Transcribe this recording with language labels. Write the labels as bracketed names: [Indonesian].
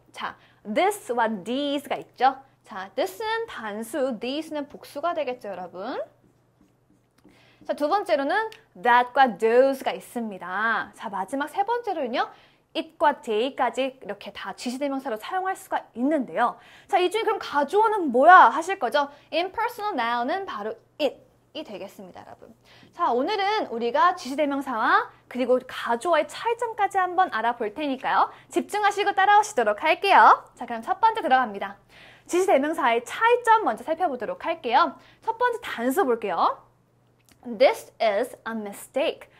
[Korean] 자, this와 these가 있죠? 자, this는 단수, these는 복수가 되겠죠, 여러분? 자, 두 번째로는 that과 those가 있습니다. 자, 마지막 세 번째로는요, it과 they까지 이렇게 다 지시대명사로 사용할 수가 있는데요. 자, 이 중에 그럼 가주어는 뭐야 하실 거죠? [English] impersonal noun은 [Korean] 바로 [English] it. [Korean] 이 되겠습니다, 여러분. 자, 오늘은 우리가 지시대명사와 그리고 가주어의 차이점까지 한번 알아볼 테니까요. 집중하시고 따라오시도록 할게요. 자, 그럼 첫 번째 들어갑니다. 지시대명사의 차이점 먼저 살펴보도록 할게요. 첫 번째 단서 볼게요. [English] This is a mistake.